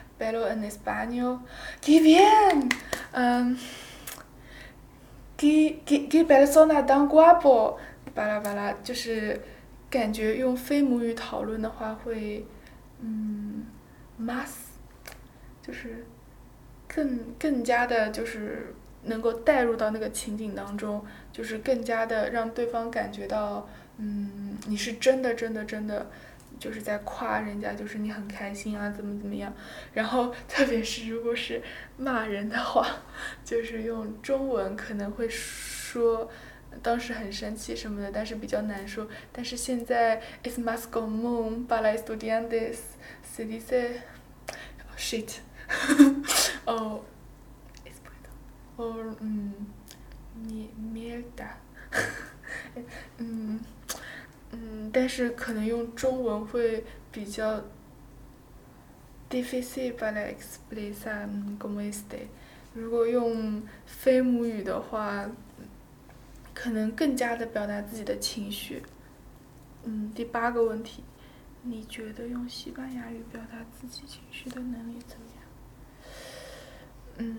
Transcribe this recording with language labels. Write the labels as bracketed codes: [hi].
[es] Pero en español, qué bien, qué persona tan guapo, bla bla [zh] bla, 就是感觉用非母语讨论的话会más, 就是更加的就是能够带入到那个情景当中，就是更加的让对方感觉到你是真的就是在夸人家，就是你很开心啊怎么怎么样。然后特别是如果是骂人的话，就是用中文可能会说当时很生气什么的，但是比较难说。但是现在 [es] es más común para estudiantes se dice shit mierda. [zh] 但是可能用中文会比较 [es] difícil para expresar como este. [zh] 如果用非母语的话，可能更加的表达自己的情绪。第八个问题，你觉得用西班牙语表达自己情绪的能力怎么样？